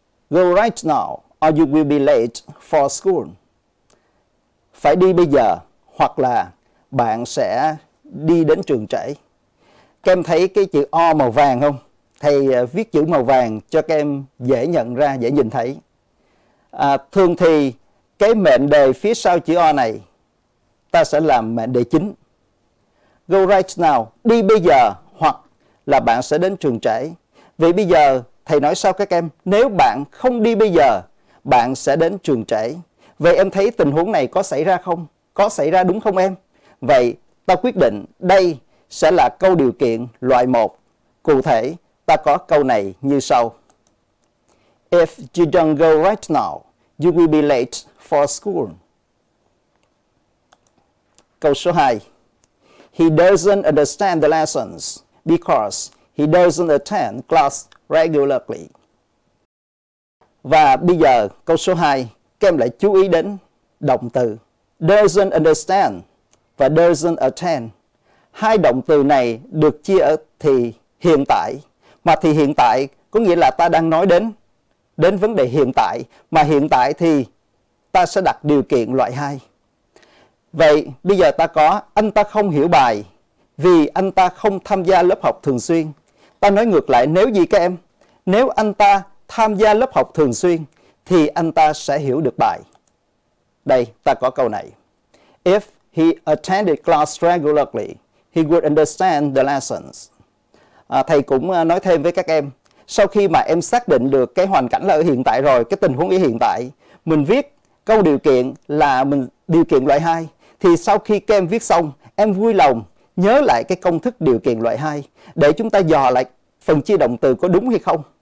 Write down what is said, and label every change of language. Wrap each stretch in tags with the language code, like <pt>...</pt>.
<en>Go right now or you will be late for school.</en> <vi>Phải đi bây giờ hoặc là bạn sẽ đi đến trường trễ. Các em thấy cái chữ O màu vàng không? Thầy viết chữ màu vàng cho các em dễ nhận ra, dễ nhìn thấy. Thường thì cái mệnh đề phía sau chữ O này ta sẽ làm mệnh đề chính.</vi> <en>Go right now,</en> <vi>đi bây giờ hoặc là bạn sẽ đến trường trễ. Vì bây giờ thầy nói sao các em? Nếu bạn không đi bây giờ, bạn sẽ đến trường trễ. Vậy em thấy tình huống này có xảy ra không? Có xảy ra đúng không em? Vậy ta quyết định đây sẽ là câu điều kiện loại 1. Cụ thể, ta có câu này như sau.</vi> <en>If you don't go right now, you will be late for school.</en> <vi>Câu số 2.</vi> <en>He doesn't understand the lessons because he doesn't attend class regularly.</en> <vi>Và bây giờ câu số 2, các em lại chú ý đến động từ</vi> <en>doesn't understand</en> <vi>và</vi> <en>doesn't attend.</en> <vi>Hai động từ này được chia ở thì hiện tại. Mà thì hiện tại có nghĩa là ta đang nói đến vấn đề hiện tại. Mà hiện tại thì ta sẽ đặt điều kiện loại 2. Vậy bây giờ ta có anh ta không hiểu bài vì anh ta không tham gia lớp học thường xuyên. Ta nói ngược lại nếu gì các em? Nếu anh ta tham gia lớp học thường xuyên thì anh ta sẽ hiểu được bài. Đây, ta có câu này.</vi> <en>If he attended class regularly, he would understand the lessons.</en> <vi>Thầy cũng nói thêm với các em, sau khi mà em xác định được cái hoàn cảnh là ở hiện tại rồi, cái tình huống ở hiện tại, mình viết câu điều kiện là mình điều kiện loại 2, thì sau khi các em viết xong, em vui lòng nhớ lại cái công thức điều kiện loại 2 để chúng ta dò lại phần chia động từ có đúng hay không.</vi>